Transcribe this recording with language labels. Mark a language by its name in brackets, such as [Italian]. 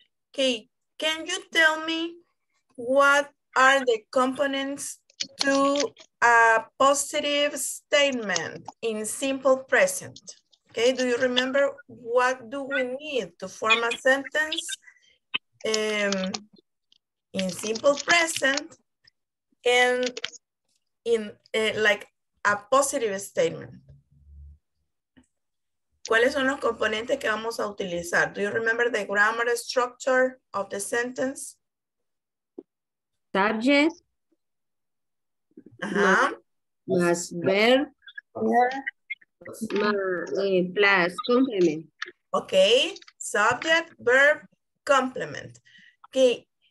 [English] Okay, can you tell me what are the components to a positive statement in simple present? Okay, do you remember what do we need to form a sentence in simple present and in like a positive statement? [Spanish] ¿Cuáles son los componentes que vamos a utilizar? [English] Do you remember the grammar structure of the sentence? Subject. Ajá. Plus verb. Plus complement. Okay. Subject, verb, complement. Okay.